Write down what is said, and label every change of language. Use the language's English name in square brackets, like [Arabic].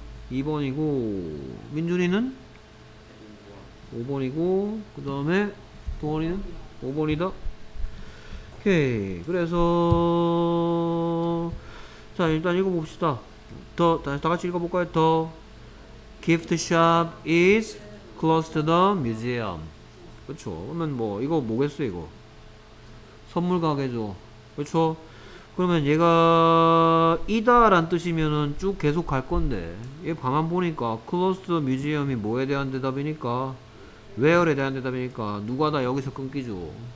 [Korean] 2번이고 민준이는? 5번이고 그 다음에 5번이는? 5번이다? 오케이. 그래서 자 일단 읽어봅시다. 다 같이 읽어볼까요? [English] The gift shop is close to the museum. [Korean] 그쵸. 그러면 뭐 이거 뭐겠어 이거? 선물 가게죠. 그쵸. 그러면 얘가 이다란 뜻이면은 쭉 계속 갈 건데 얘 가만 보니까 closed museum이 뭐에 대한 대답이니까 where에 대한 대답이니까 누가다 여기서 끊기죠.